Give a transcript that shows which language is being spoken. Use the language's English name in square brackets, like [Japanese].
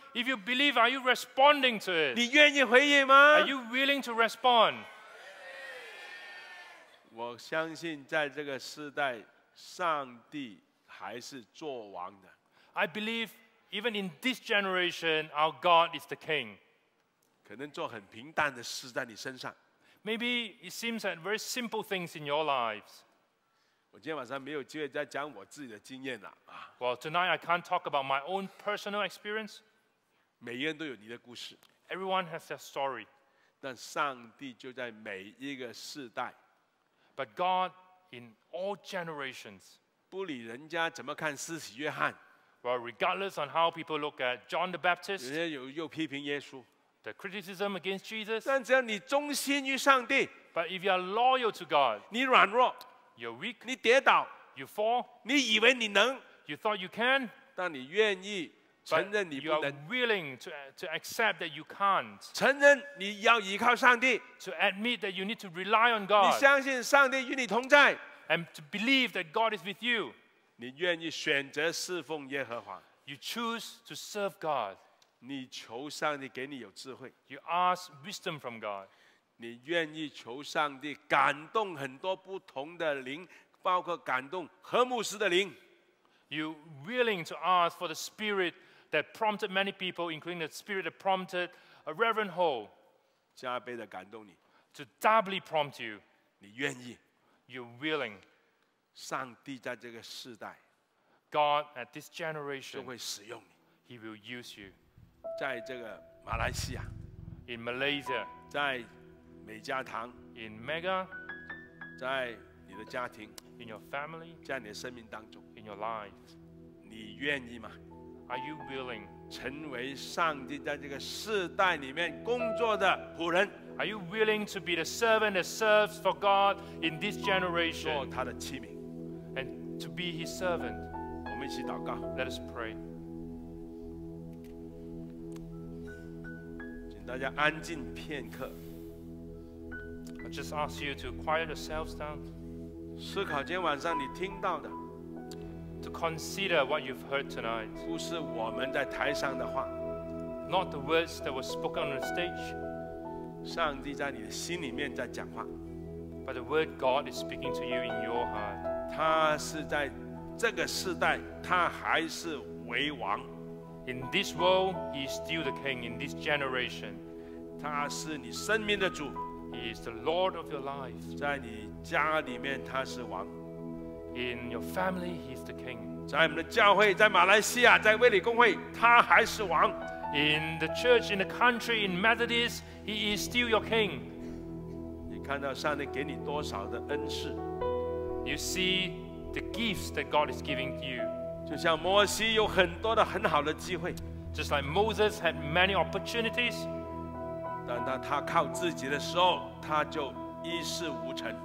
[English] If you believe, are you responding to it? [Chinese] 你愿意回应吗？ [English] Are you willing to respond? [Chinese] 我相信在这个世代，上帝还是作王的。 [English] I believe even in this generation, our God is the King. [Chinese] 可能做很平淡的事在你身上。 [English] Maybe it seems that very simple things in your lives. [Chinese] 我今天晚上没有机会再讲我自己的经验了啊。 [English] Well, tonight I can't talk about my own personal experience. [Chinese] 每个人都有你的故事。 [English] Everyone has their story. [Chinese] 但上帝就在每一个世代。 [English] But God, in all generations, [Chinese] 不理人家怎么看施洗约翰, [English] well, regardless on how people look at John the Baptist, [Chinese] 人家又批评耶稣, [English] the criticism against Jesus, [Chinese] 但只要你忠心于上帝, [English] but if you are loyal to God, [Chinese] 你软弱, [English] you're weak, [Chinese] 你跌倒, [English] you fall, [Chinese] 你以为你能, [English] you thought you can, [Chinese] 但你愿意承认你不能, [English] but you are willing to accept that you can't. [Chinese] 承认你要依靠上帝, [English] to admit that you need to rely on God. [Chinese] 你相信上帝与你同在, [English] and to believe that God is with you. [Chinese] 你愿意选择侍奉耶和华, [English] you choose to serve God. [Chinese] 你求上帝给你有智慧, [English] you ask wisdom from God. [Chinese] 你愿意求上帝感动很多不同的灵, 包括感动何牧师的灵。 [English] You're willing to ask for the spirit that prompted many people, including the spirit that prompted a Reverend Ho, [Chinese] 加倍的感动你。 [English] To doubly prompt you, [Chinese] 你愿意。 [English] You're willing. [Chinese] 上帝在这个世代。 [English] God at this generation, [Chinese] 就会使用你。 [English] He will use you. [Chinese] 在这个马来西亚。 [English] In Malaysia. [Chinese] 在美加堂。 [English] In Mega. [Chinese] 在你的家庭。 [English] In your family. [Chinese] 在你的生命当中。 [English] In your life. [Chinese] 你愿意吗？ [English] Are you willing? [Chinese] 成为上帝在这个世代里面工作的仆人。 [English] Are you willing to be the servant that serves for God in this generation? [Chinese] 做他的器皿。 [English] And to be his servant. [Chinese] 我们一起祷告。 [English] Let us pray. [Chinese] 请大家安静片刻。 [English] I just ask you to quiet yourselves down. [Chinese] 思考今天晚上你听到的。 [English] To consider what you've heard tonight. [Chinese] 不是我们在台上的话。 [English] Not the words that were spoken on the stage. [Chinese] 上帝在你的心里面在讲话。 [English] But the word God is speaking to you in your heart. [Chinese] 他是在这个世代，他还是为王。 [English] In this world, he is still the king in this generation. [Chinese] 他是你生命的主。 [English] He is the Lord of your life. [Chinese] 在你家里面他是王。 [English] In your family, he's the king. [Chinese] 在我们的教会，在马来西亚，在卫理公会，他还是王。 [English] In the church, in the country, in Methodist, he is still your king. [Chinese] 你看到上帝给你多少的恩赐。 [English] You see the gifts that God is giving you. [Chinese] 就像摩西有很多的很好的机会。 [English] Just like Moses had many opportunities. [Chinese] 但当他靠自己的时候，他就一事无成。